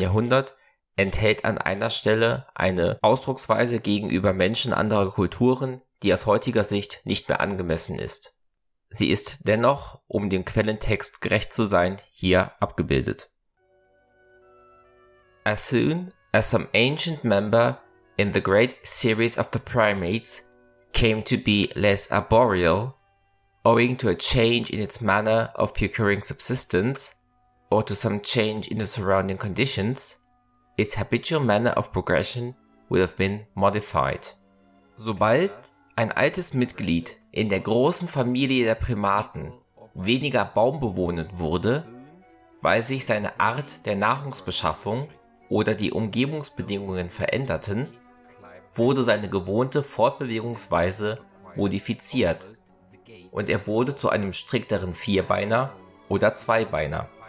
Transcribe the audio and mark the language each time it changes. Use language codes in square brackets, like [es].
[de] Jahrhundert, enthält an einer Stelle eine Ausdrucksweise gegenüber Menschen anderer Kulturen, die aus heutiger Sicht nicht mehr angemessen ist. Sie ist dennoch, um dem Quellentext gerecht zu sein, hier abgebildet. [en] As soon as some ancient member in the great series of the primates came to be less arboreal, owing to a change in its manner of procuring subsistence, or to some change in the surrounding conditions, its habitual manner of progression would have been modified. [de] Sobald ein altes Mitglied in der großen Familie der Primaten weniger baumbewohnend wurde, weil sich seine Art der Nahrungsbeschaffung oder die Umgebungsbedingungen veränderten, wurde seine gewohnte Fortbewegungsweise modifiziert und er wurde zu einem strikteren Vierbeiner oder Zweibeiner.